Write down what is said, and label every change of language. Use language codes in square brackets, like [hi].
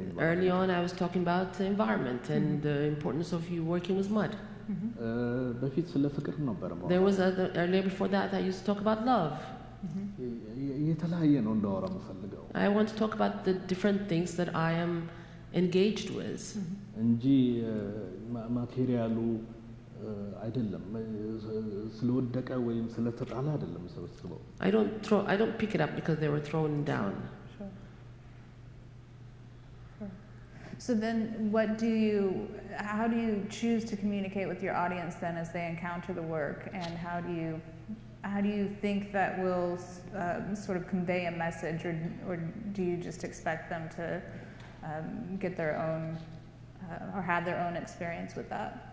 [en] environment early on I was talking about the environment and the importance of you working with mud [am] በፊት ስለ ፍቅር ነበር ማለት [en] there was earlier before that I used to talk about love [am] የተለያየ ነው እንዳወራ መፈልገው [en] I want to talk about the different things that I am engaged with [am] እንጂ ማቴሪያሉ አይደለም ስለወደቀ ወይም ስለተጣለ አይደለም ሰብስበው [en] I don't pick it up because they were thrown down So then what do you how do you choose to communicate with your audience then as they encounter the work and how do you think that will sort of convey a message or do you just expect them to get their own or have their own experience with that